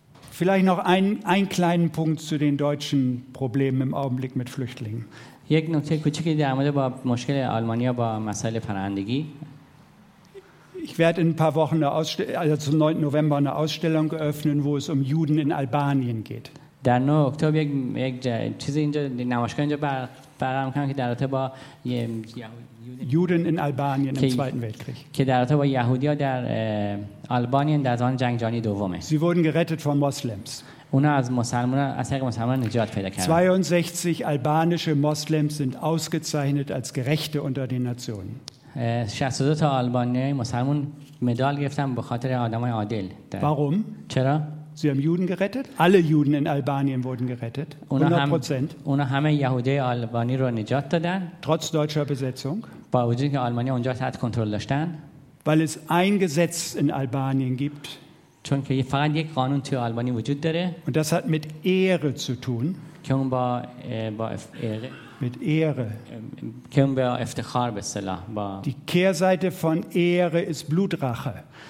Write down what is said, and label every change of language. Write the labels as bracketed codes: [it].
[de] Vielleicht noch einen kleinen Punkt zu den deutschen Problemen im Augenblick mit Flüchtlingen. Ich werde in ein paar Wochen also zum 9. November eine Ausstellung eröffnen, wo es um Juden in Albanien geht. [fa] در 9 اکتبر یک چیز اینجا نمایشگاه اینجا برگزار می‌کنم که در رابطه با یهودیان در آلبانیان در جنگ جهانی دوم که در رابطه با یهودیا در آلبانیان در زمان جنگ جهانی دومه. [de] Sie wurden gerettet von Muslims. [fa] اونا از مسلمان از طریق مسلمان نجات پیدا کردن. [de] 62 albanische Muslims sind ausgezeichnet als gerechte unter den Nationen. [fa] 62 تا آلبانیای مسلمان مدال گرفتن به خاطر آدمای عادل. [de] Warum? [fa] چرا؟ [de] Sie haben Juden gerettet? Alle Juden in Albanien wurden gerettet. 100%. [fa] اونا همه یهودی آلبانی رو نجات دادن. [de] Trotz deutscher Besetzung. [fa] با وجودی که آلمانی اونجا تحت کنترل داشتن. [de] Weil es ein Gesetz in Albanien gibt. [fa] چون که فقط یک قانون توی آلمانی وجود داره. [de] Und das hat mit Ehre zu tun. [fa] که اون با Ehre. [de] Mit Ehre. [fa] که اون با افتخار به اصطلاح. [de] Die Kehrseite von Ehre ist Blutrache.